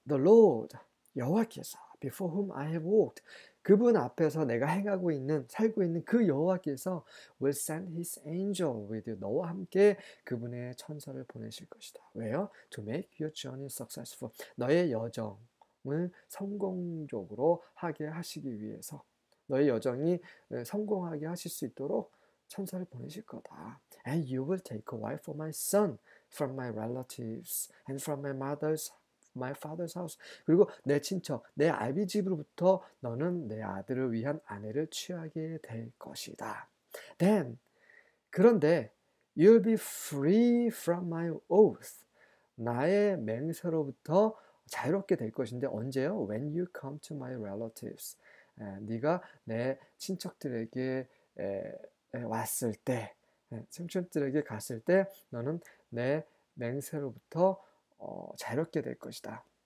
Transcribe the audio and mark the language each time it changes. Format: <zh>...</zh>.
<en>The Lord,</en> <ko>여호와께서</ko> <en>before whom I have walked</en> <ko>그분 앞에서 내가 행하고 있는 살고 있는 그 여호와께서</ko> <en>will send his angel with you</en> <ko>너와 함께 그분의 천사를 보내실 것이다. 왜요?</ko> <en>To make your journey successful</en> <ko>너의 여정 여정을 성공적으로 하게 하시기 위해서 너의 여정이 성공하게 하실 수 있도록 천사를 보내실 거다.</ko> <en>And you will take a wife for my son from my relatives and from my father's house.</en> <ko>그리고 내 친척, 내 아비 집으로부터 너는 내 아들을 위한 아내를 취하게 될 것이다.</ko> <en>Then,</en> <ko>그런데</ko> <en>you'll be free from my oath.</en> <ko>나의 맹세로부터 자유롭게 될 것인데 언제요?</ko> <en>When you come to my relatives.</en> <ko>네가 내 친척들에게 왔을 때, 친척들에게 갔을 때 너는 내 맹세로부터 자유롭게 될 것이다.</ko>